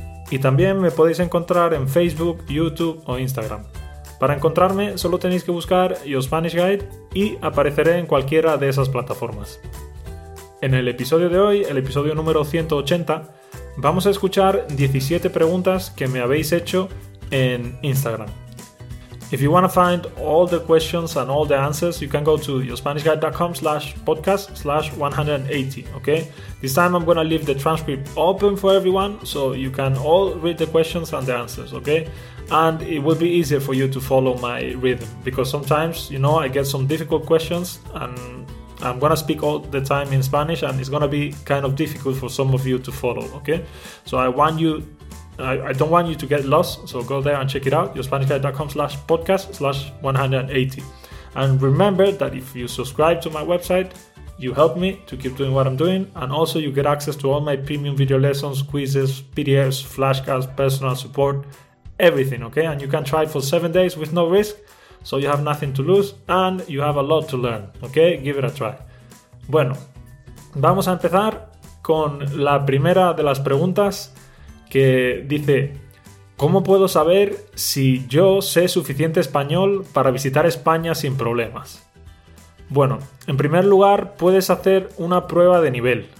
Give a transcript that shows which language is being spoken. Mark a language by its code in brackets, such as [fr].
[es] Y también me podéis encontrar en Facebook, YouTube o Instagram. Para encontrarme solo tenéis que buscar Your Spanish Guide y apareceré en cualquiera de esas plataformas. En el episodio de hoy, el episodio número 180, vamos a escuchar 17 preguntas que me habéis hecho en Instagram. [en] If you want to find all the questions and all the answers, you can go to yourspanishguide.com/podcast/180, okay? This time I'm going to leave the transcript open for everyone, so you can all read the questions and the answers, okay? And it will be easier for you to follow my rhythm, because sometimes, you know, I get some difficult questions, and I'm going to speak all the time in Spanish, and it's going to be kind of difficult for some of you to follow, okay? So I don't want you to get lost, so go there and check it out, yourspanishguide.com/podcast/180. And remember that if you subscribe to my website, you help me to keep doing what I'm doing, and also you get access to all my premium video lessons, quizzes, PDFs, flashcards, personal support, everything, okay? And you can try it for 7 days with no risk, so you have nothing to lose, and you have a lot to learn, okay? Give it a try. [es] Bueno, vamos a empezar con la primera de las preguntas, que dice, ¿cómo puedo saber si yo sé suficiente español para visitar España sin problemas? Bueno, en primer lugar, puedes hacer una prueba de nivel.